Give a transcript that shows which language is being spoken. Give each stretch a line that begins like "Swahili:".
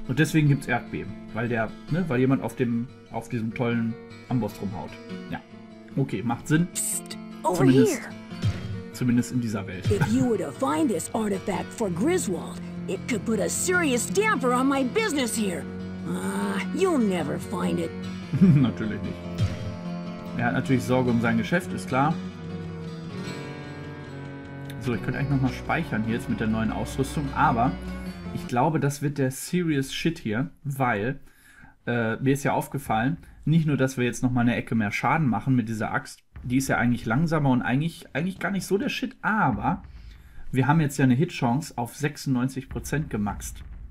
German: Und deswegen gibt es Erdbeben, weil der, ne, weil jemand auf diesem tollen Amboss rumhaut. Ja, okay, macht Sinn.
English: Psst, over here.
German: Zumindest in dieser Welt.
English: If you were to find this artifact for Griswold, it could put a serious damper on my business here. You'll never find it.
German: Natürlich nicht. Er hat natürlich Sorge um sein Geschäft, ist klar. So, ich könnte eigentlich nochmal speichern hier jetzt mit der neuen Ausrüstung, aber ich glaube, das wird der
English: serious shit
German: hier, weil Mir ist ja aufgefallen, nicht nur, dass wir jetzt noch mal eine Ecke mehr Schaden machen mit dieser Axt, die ist ja eigentlich langsamer und eigentlich gar nicht so der Shit, aber wir haben jetzt ja eine Hitchance auf 96% gemaxt.